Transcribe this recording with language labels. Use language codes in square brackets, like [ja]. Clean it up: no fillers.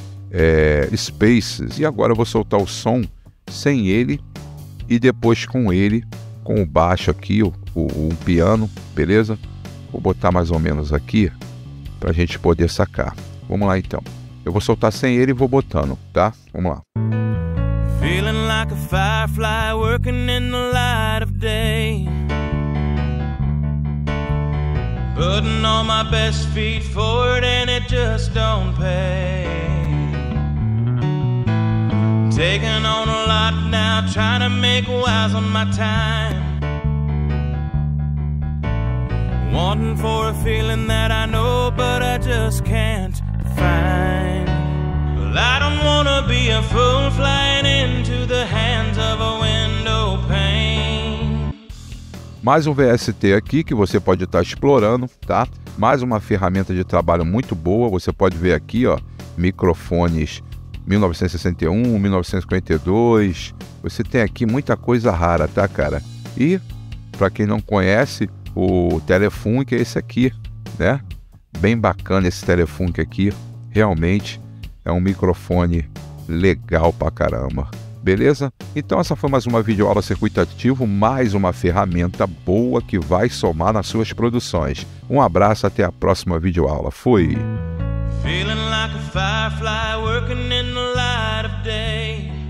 [pt] É, spaces, e agora eu vou soltar o som sem ele e depois com ele, com o baixo aqui, o piano, beleza? Vou botar mais ou menos aqui pra gente poder sacar. Vamos lá então, eu vou soltar sem ele e vou botando, tá? Vamos lá. [en] Feeling like a firefly working in the light of day, putting on my best feet forward and it just don't pay. Taking on a lot now, trying to make wise on my time. Wanting for a feeling that I know, but I just can't find. Well, I don't wanna be a fool flying into the hands of a window pane. [pt] Mais um VST aqui que você pode estar explorando, tá? Mais uma ferramenta de trabalho muito boa. Você pode ver aqui, ó, microfones 1961, 1952, você tem aqui muita coisa rara, tá, cara? E, pra quem não conhece, o Telefunk é esse aqui, né? Bem bacana esse Telefunk aqui, realmente é um microfone legal pra caramba, beleza? Então essa foi mais uma videoaula circuitativo, mais uma ferramenta boa que vai somar nas suas produções. Um abraço, até a próxima videoaula, fui! [en] Feeling like a firefly working in the light of day.